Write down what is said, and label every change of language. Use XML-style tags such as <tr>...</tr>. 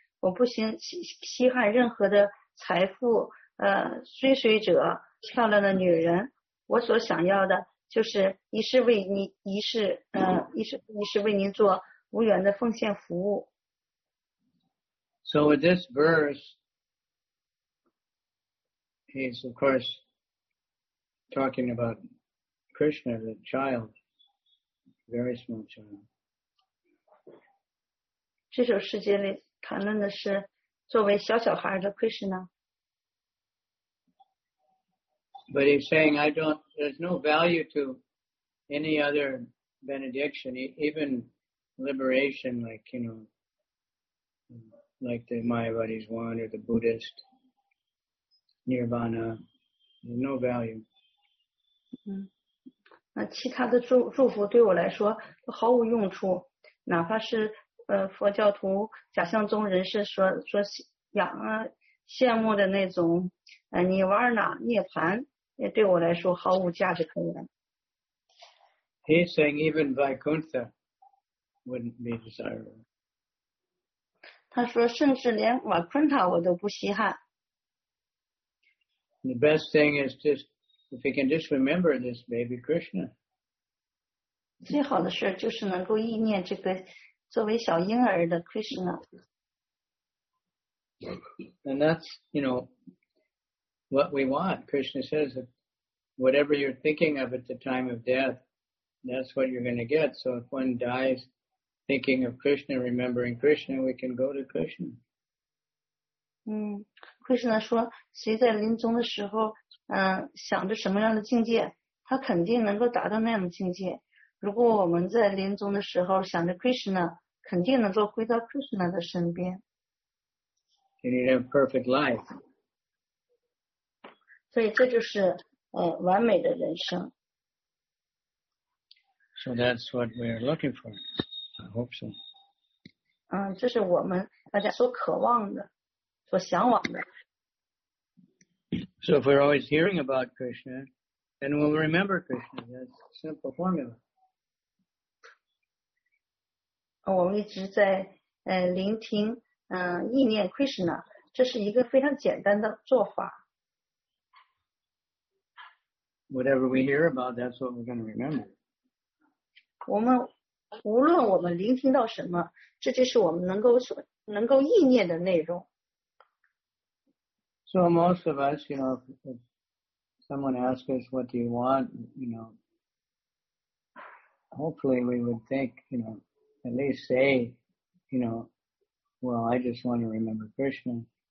<zh>我不行稀罕任何的财富追随者漂亮的女人我所想要的就是一世为您做无缘的奉献服务</zh> <en>So with this verse he's of course talking about Krishna the child very small child</en> <zh>这首诗节里谈论的是作为小小孩的 Krishna.</zh> <en>But he's saying, there's no value to any other benediction, even liberation, like the Mayavadi's one or the Buddhist Nirvana. There's no value.</en> <zh>那其他的祝福对我来说都毫无用处，哪怕是佛教徒假象中人士说仰羡慕的那种Nirvana涅槃也对我来说毫无价值可言。</zh> <en>He's saying even Vaikuntha wouldn't be desirable.</en> <zh>他说甚至连瓦昆塔我都不稀罕。</zh> <en>The best thing is just if we can just remember this baby Krishna.</en> <zh>最好的事就是能够意念这个作为小婴儿的 Krishna.</zh> <en>And that's, you know, what we want. Krishna says that whatever you're thinking of at the time of death, that's what you're going to get. So if one dies thinking of Krishna, remembering Krishna, we can go to Krishna.</en> <zh>嗯 ，Krishna 说，谁在临终的时候，想着什么样的境界，他肯定能够达到那样的境界。如果我们在临终的时候想着 Krishna， 肯定能够回到 Krishna 的身边。</zh> <en>You need a perfect life.</en> <zh>所以这就是完美的人生。</zh> <en>So that's what we are looking for. I hope so.</en> <zh>嗯，这是我们大家所渴望的，所向往的。</zh> <en>So if we're always hearing about Krishna, then we'll remember Krishna. That's a simple formula.</en> <zh>我们一直在聆听意念 Krishna， 这是一个非常简单的做法。</zh> <en>Whatever we hear about, that's what we're going to remember.</en> <zh>我们无论我们聆听到什么，这就是我们能够意念的内容。</zh> <en>So most of us, you know, if someone asks us, what do you want, you know, hopefully we would think, you know, at least say, you know, well, I just want to remember Krishna.</en>